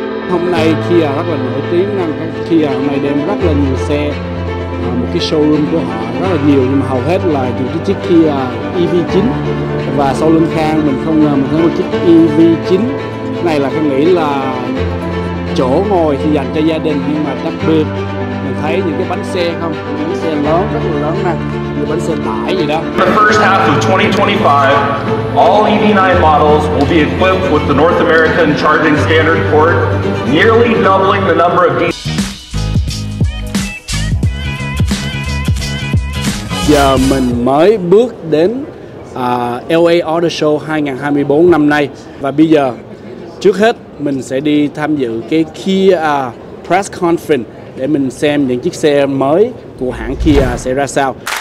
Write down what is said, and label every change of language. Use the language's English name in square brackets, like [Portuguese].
[Vietnamese] hôm nay Kia rất là nổi tiếng, năng Kia hôm nay đem rất là nhiều xe, một cái showroom của họ rất là nhiều, nhưng mà hầu hết là những cái chiếc Kia EV9. Và sau lưng Khang mình không ngờ mình có một chiếc EV9 này, là cái nghĩ là chỗ ngồi thì dành cho gia đình, nhưng mà đặc biệt mình thấy những cái bánh xe không, những cái xe lớn rất là lớn nè, những bánh xe tải gì đó. [English] The first half of 2025, all EV9 models will be equipped with the North American charging standard port, nearly doubling the number of DC. [Vietnamese] Giờ mình mới bước đến LA Auto Show 2024 năm nay. Và bây giờ, trước hết mình sẽ đi tham dự cái Kia Press Conference để mình xem những chiếc xe mới của hãng Kia sẽ ra sao.